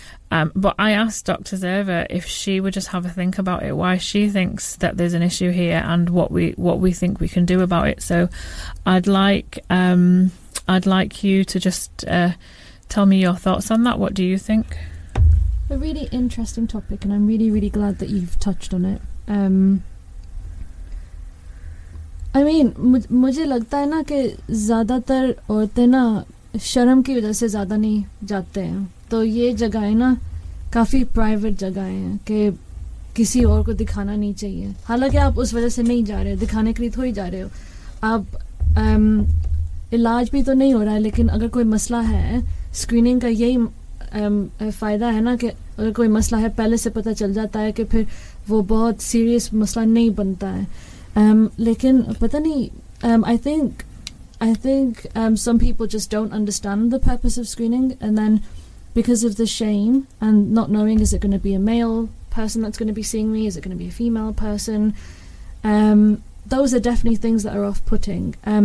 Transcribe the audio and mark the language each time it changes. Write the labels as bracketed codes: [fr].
[en] But I asked Dr. Zerva if she would just have a think about it, why she thinks that there's an issue here and what we think we can do about it. So I'd like you to just tell me your thoughts on that. What do you think? A really interesting topic, and I'm really, really glad that you've touched on it. I mean, [hi] मुझे लगता है ना कि ज़्यादातर औरतें ना शर्म की वजह से ज़्यादा नहीं जाते हैं. तो ये जगहें ना काफी private जगहें हैं कि किसी और को दिखाना नहीं चाहिए. हालांकि आप उस वजह से नहीं जा रहे हो, दिखाने के लिए थोड़ी जा रहे हो. आप इलाज भी तो नहीं हो रहा है, लेकिन अगर कोई मसला है, screening का यही फायदा है ना कि अगर कोई मसला है पहले से पता चल जाता है कि फिर वो बहुत सीरियस मसला नहीं बनता है. लेकिन पता नहीं, [en] I think some people just don't understand the purpose of screening, and then because of the shame and not knowing, is it going to be a male person that's going to be seeing me, is it going to be a female person, those are definitely things that are off-putting.